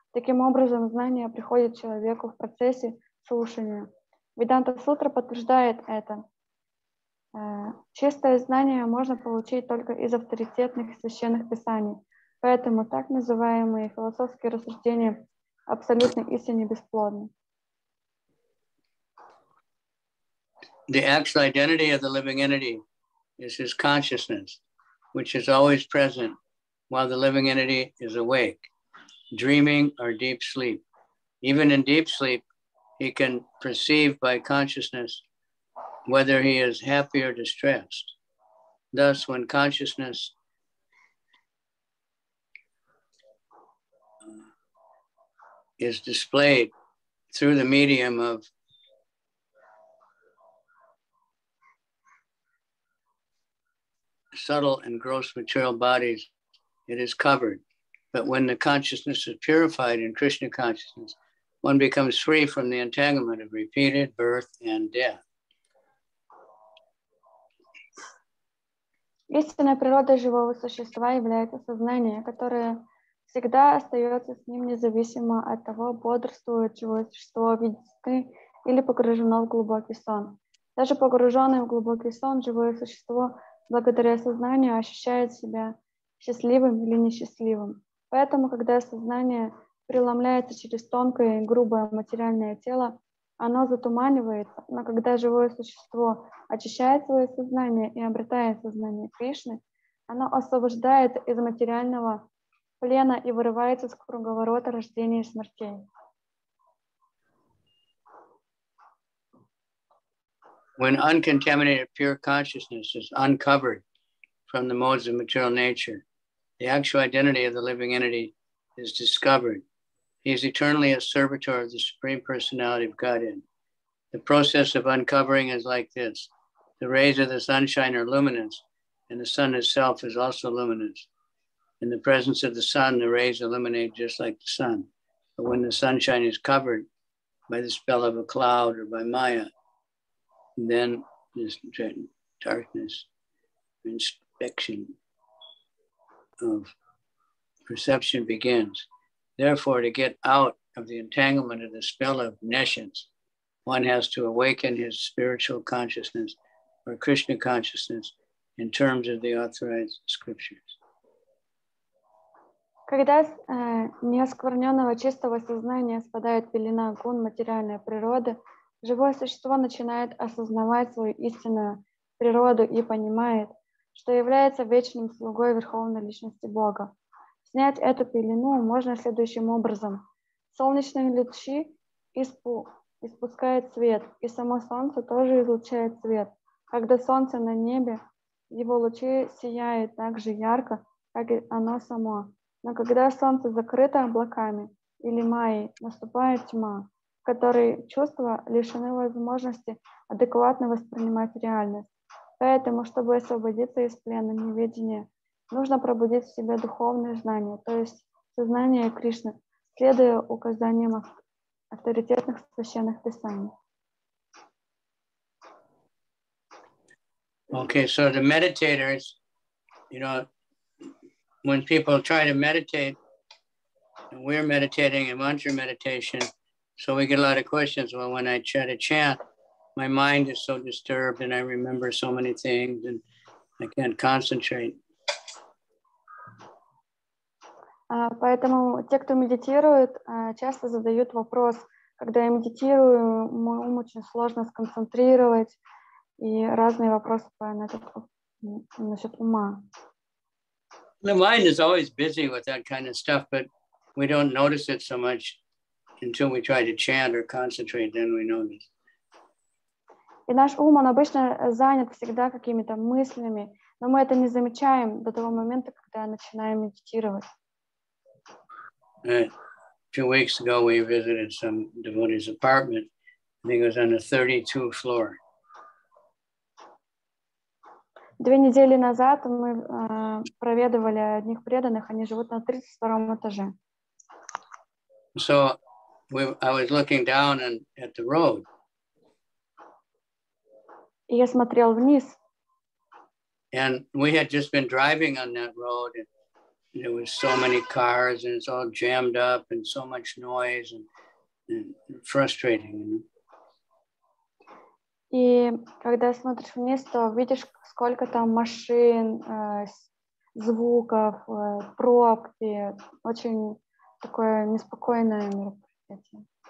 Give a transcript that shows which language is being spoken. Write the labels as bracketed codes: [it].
[ru] Таким образом, знание приходит человеку в процессе слушания. Веданта Сутра подтверждает это. Чистое знание можно получить только из авторитетных священных писаний. Поэтому так называемые философские рассуждения абсолютно истинно бесплодны. [en] The actual identity of the living entity is his consciousness, which is always present while the living entity is awake, dreaming or deep sleep. Even in deep sleep, he can perceive by consciousness whether he is happy or distressed. Thus, when consciousness is displayed through the medium of subtle and gross material bodies, it is covered. But when the consciousness is purified in Krishna consciousness, one becomes free from the entanglement of repeated birth and death. [ru] Истинная природа живого существа является сознание, которое всегда остается с ним независимо от того, бодрствует живое существо, видит сны или погружено в глубокий сон. Даже погруженное в глубокий сон, живое существо благодаря сознанию ощущает себя счастливым или несчастливым. Поэтому, когда сознание преломляется через тонкое и грубое материальное тело, оно затуманивается, но когда живое существо очищает свое сознание и обретает сознание Кришны, оно освобождает из материального плена и вырывается с круговорота рождения и смерти. [en] When uncontaminated pure consciousness is uncovered from the modes of material nature, the actual identity of the living entity is discovered. He is eternally a servitor of the Supreme Personality of Godhead. The process of uncovering is like this. The rays of the sunshine are luminous, and the sun itself is also luminous. In the presence of the sun, the rays illuminate just like the sun. But when the sunshine is covered by the spell of a cloud or by Maya, then this darkness, inspection of perception begins. Therefore, to get out of the entanglement of the spell of nescience, one has to awaken his spiritual consciousness or Krishna consciousness in terms of the authorized scriptures. [ru] Когда неоскверненного чистого сознания спадает пелена гун материальной природы, живое существо начинает осознавать свою истинную природу и понимает, что является вечным слугой Верховной Личности Бога. Снять эту пелену можно следующим образом. Солнечные лучи испускают свет, и само солнце тоже излучает свет. Когда солнце на небе, его лучи сияют так же ярко, как и оно само. Но когда солнце закрыто облаками или майей, наступает тьма, в которой чувства лишены возможности адекватно воспринимать реальность. Поэтому, чтобы освободиться из плена неведения, нужно пробудить в себе духовные знания, то есть сознание Кришны, следуя указаниям авторитетных священных писаний. [en] Okay, so the meditators, you know, when people try to meditate, and we're meditating in mantra meditation, so we get a lot of questions. Well, when I try to chant, my mind is so disturbed and I remember so many things and I can't concentrate. [ru] Поэтому те, кто медитирует, часто задают вопрос, Когда я медитирую, мой ум очень сложно сконцентрировать, и разные вопросы по насчет ума. [en] The mind is always busy with that kind of stuff, but we don't notice it so much until we try to chant or concentrate, then we notice. [ru] И наш ум, он обычно занят всегда какими-то мыслями, но мы это не замечаем до того момента, когда начинаем медитировать. [en] Two weeks ago we visited some devotee's apartment. I think it was on the 32 floor. [ru] Две недели назад мы проведывали одних преданных, они живут на 32-м этаже. [en] So I was looking down at the road. [ru] И я смотрел вниз. [en] And we had just been driving on that road, and there was so many cars, and it's all jammed up, and so much noise, and frustrating. [ru] И когда смотришь вниз, то видишь, сколько там машин, звуков, пробки. Очень такое неспокойное мероприятие.